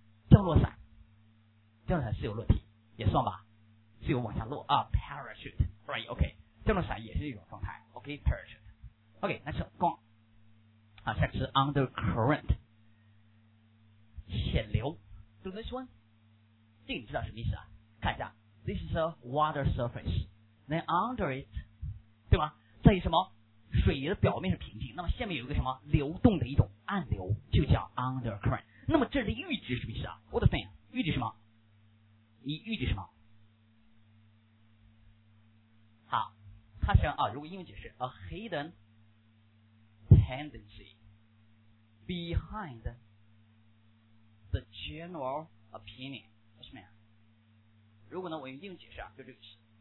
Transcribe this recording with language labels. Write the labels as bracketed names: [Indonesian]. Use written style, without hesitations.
[Chinese] 降落伞，降落伞是有落体也算吧，是有往下落啊 parachute right OK，降落伞也是一种状态 ，OK， parachute， OK， 那是光啊，下是 undercurrent， 潜流 ， [English] do this one， [Chinese] 这个你知道什么意思啊？看一下 [English] ，this is a water surface， then under it， [Chinese] 对吧？在于什么？水的表面是平静，那么下面有一个什么流动的一种暗流，就叫 undercurrent。那么这里预指什么意思啊 ？ [English] What thing？ [Chinese] 预指什么？你预指什么？它想啊，如果英文解释 ， [English] a hidden tendency behind the general opinion， [Chinese] 什么呀？如果呢，我用英文解释啊，就这个词，